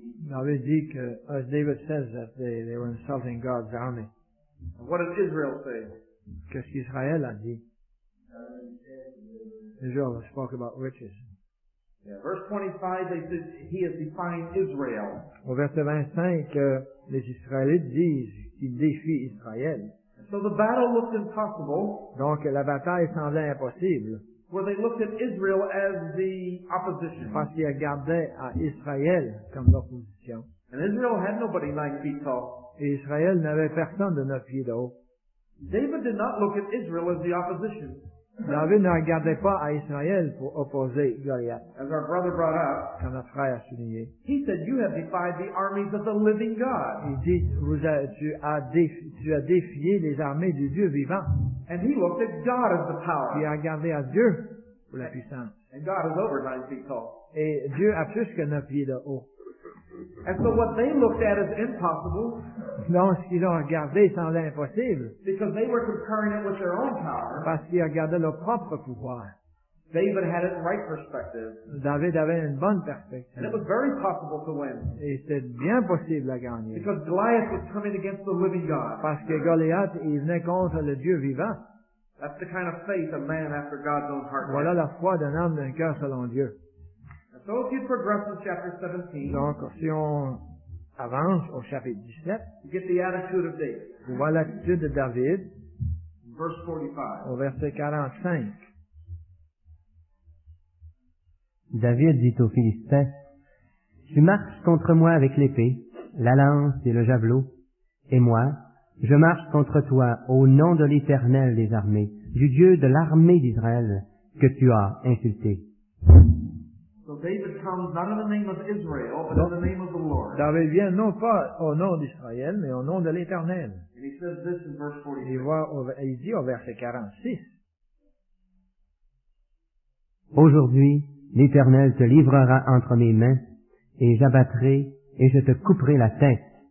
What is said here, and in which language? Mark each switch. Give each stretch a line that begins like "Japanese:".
French: David dit que,
English: as David says that they were insulting God's army. What does Israel say?
French: Qu'est-ce qu'Israël a dit?
English: Israel spoke about riches. Yeah, verse 25, they said he has defined Israel.
French: Au verset 25, les Israélites disent qu'ils défient Israël.
English: So the battle looked impossible.
French: Donc la bataille semblait impossible.
English: Where they looked at Israel as the opposition.
French: Parce qu'ils regardaient à Israël comme l'opposition.
English: And Israel had nobody 9 feet tall.
French: Et Israël n'avait personne de 9 pieds de haut.
English: David did not look at Israel as the opposition.
French: David ne regardait pas à Israël pour opposer Goliath.
English: As our brother brought up,
French: comme notre frère a souligné,
English: he said, "You have defied the armies of the living God."
French: Il dit, tu as défié les armées du Dieu vivant.
English: And he looked at God as the power.
French: Il a regardé à Dieu pour la puissance.
English: And God is over 9 feet tall.
French: Et Dieu a plus que 9 pieds de haut.
English: And so what they looked at is impossible.
French: Donc, ce qu'ils ont regardé semblait impossible.
English: Because they were comparing it with their own power.
French: Parce qu'ils regardaient leur propre pouvoir.
English: David had it in right perspective.
French: David avait une bonne perspective.
English: And it was very possible to win.
French: Et c'était bien possible à gagner.
English: Because Goliath was coming against the living God.
French: Parce que Goliath, il venait contre le Dieu vivant.
English: That's the kind of faith a man after God's own heart.
French: Voilà la foi d'un homme d'un cœur selon Dieu.
English: So if you progress to chapter 17,
French: donc, si on avance au chapitre 17,
English: you get the attitude of David.
French: On voit l'attitude de David.
English: Verse 45.
French: Au verset 45. David dit aux Philistins, tu marches contre moi avec l'épée, la lance et le javelot, et moi, je marche contre toi au nom de l'Éternel des armées, du Dieu de l'armée d'Israël que tu as insulté.
English: So David comes not in the name of Israel, but in the name of the Lord.
French: David vient non pas au nom d'Israël, mais au nom de l'Éternel.
English: And he says this in verse 46.
French: Il dit au verset 46. Aujourd'hui, l'Éternel te livrera entre mes mains, et j'abattrai, et je te couperai la tête.